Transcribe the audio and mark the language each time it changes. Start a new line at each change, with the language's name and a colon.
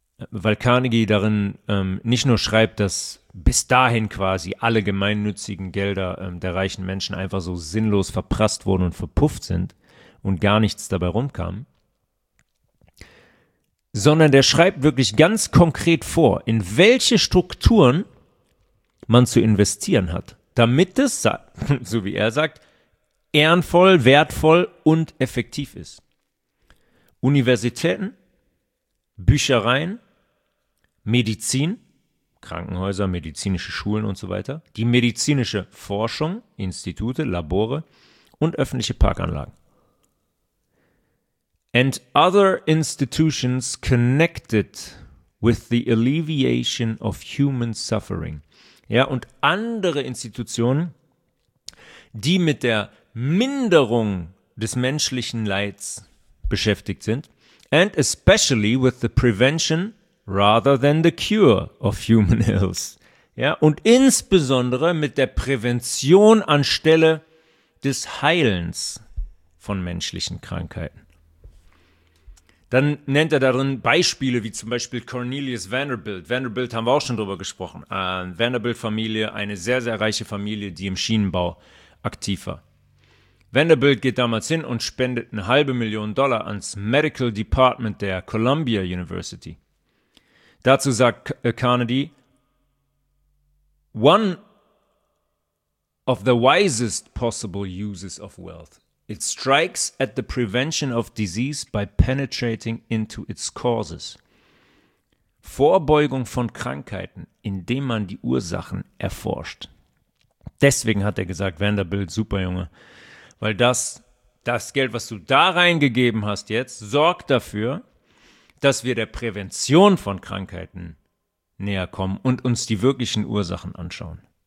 German: Weil Carnegie darin nicht nur schreibt, dass bis dahin quasi alle gemeinnützigen Gelder der reichen Menschen einfach so sinnlos verprasst wurden und verpufft sind und gar nichts dabei rumkam, sondern der schreibt wirklich ganz konkret vor, in welche Strukturen man zu investieren hat, damit es, so wie er sagt, ehrenvoll, wertvoll und effektiv ist. Universitäten, Büchereien, Medizin, Krankenhäuser, medizinische Schulen und so weiter, die medizinische Forschung, Institute, Labore und öffentliche Parkanlagen.
English: and other institutions connected with the alleviation of human suffering.
German: Ja, und andere Institutionen, die mit der Minderung des menschlichen Leids beschäftigt sind,
English: and especially with the prevention rather than the cure of human ills.
German: Ja, und insbesondere mit der Prävention anstelle des Heilens von menschlichen Krankheiten. Dann nennt er darin Beispiele wie zum Beispiel Cornelius Vanderbilt. Vanderbilt haben wir auch schon drüber gesprochen. Vanderbilt-Familie, eine sehr, sehr reiche Familie, die im Schienenbau aktiv war. Vanderbilt geht damals hin und spendet eine halbe Million Dollar ans Medical Department der Columbia University. Dazu sagt Carnegie,
English: one of the wisest possible uses of wealth. It strikes at the prevention of disease by penetrating into its causes.
German: Vorbeugung von Krankheiten, indem man die Ursachen erforscht. Deswegen hat er gesagt, Vanderbilt, super Junge, weil das Geld, was du da reingegeben hast jetzt, sorgt dafür, dass wir der Prävention von Krankheiten näher kommen und uns die wirklichen Ursachen anschauen.